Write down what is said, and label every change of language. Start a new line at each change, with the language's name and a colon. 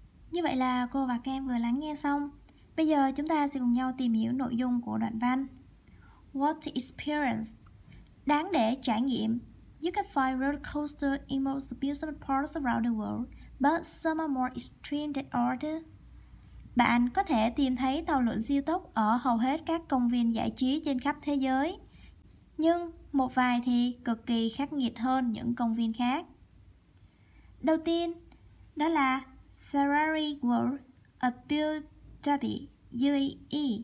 Vietnamese: Như vậy là cô và các em vừa lắng nghe xong. Bây giờ chúng ta sẽ cùng nhau tìm hiểu nội dung của đoạn văn.
English: What to experience?
Vietnamese: Đáng để trải nghiệm.
English: You can find roller coasters in most beautiful parts around the world, but some are more extreme than others.
Vietnamese: Bạn có thể tìm thấy tàu lượn siêu tốc ở hầu hết các công viên giải trí trên khắp thế giới, nhưng một vài thì cực kỳ khắc nghiệt hơn những công viên khác. Đầu tiên, đó là Ferrari World Abu Dhabi, UAE.